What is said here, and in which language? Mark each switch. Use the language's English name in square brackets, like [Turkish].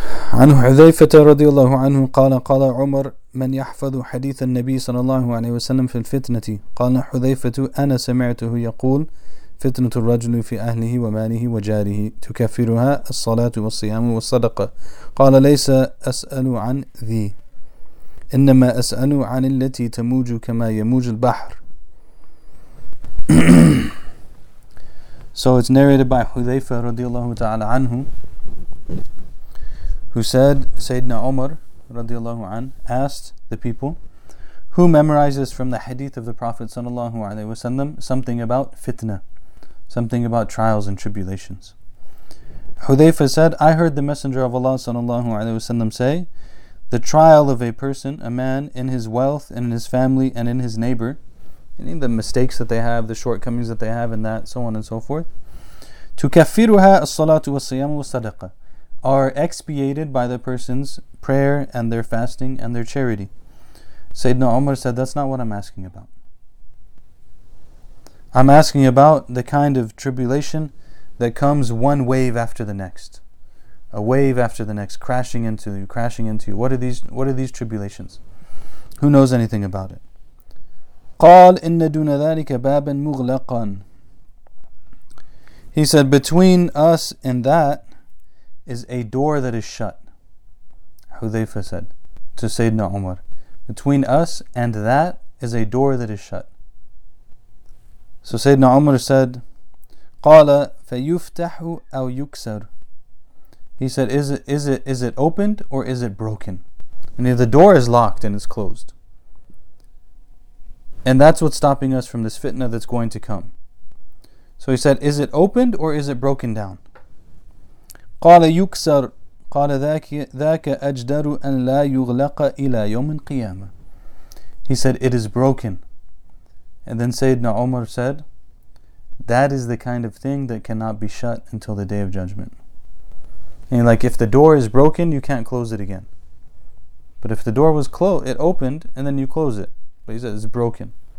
[Arabic] عن حذيفة رضي الله عنه قال قال عمر من يحفظ حديث النبي صلى الله عليه وسلم في الفتنة قال حذيفة أنا سمعته يقول فتنة الرجل في أهله وماله وجاره تكفرها الصلاة والصيام والصدقة قال ليس أسأل عن ذي إنما أسأل عن التي تموج كما يموج البحر. [English] So it's narrated by حذيفة رضي الله تعالى عنه, who said, Sayyidina Umar radiallahu an asked the people, who memorizes from the hadith of the Prophet sallallahu alayhi wa sallam something about fitna, something about trials and tribulations? Hudhayfa said, I heard the Messenger of Allah sallallahu alayhi wa sallam say, the trial of a person, a man, in his wealth, and in his family, and in his neighbor, any of the mistakes that they have, the shortcomings that they have in that, so on and so forth, to [Arabic] kafiruha as-salatu was-siyamu was-sadaqah, [English] are expiated by the person's prayer and their fasting and their charity. Sayyidina Umar said, that's not what I'm asking about. I'm asking about the kind of tribulation that comes one wave after the next. A wave after the next, crashing into you. What are these tribulations? Who knows anything about it? [Arabic] قال إن دون ذلك بابا مغلقا. [English] He said, between us and that is a door that is shut. Hudhayfa said to Sayyidina Umar, between us and that is a door that is shut. So Sayyidina Umar said, [Arabic] قَالَ فَيُفْتَحُ أَوْ يُكْسَرُ. [English] He said, is it opened or is it broken? And the door is locked and it's closed. And that's what's stopping us from this fitna that's going to come. So he said, is it opened or is it broken down? [Arabic] قال يكسر قال ذاك أجدر أن لا يغلق إلى يوم القيامة. [English] He said, it is broken. And then Sayyidina Umar said, that is the kind of thing that cannot be shut until the Day of Judgment. And like, if the door is broken, you can't close it again. But if the door was closed, it opened, and then you close it. But he said, it's broken.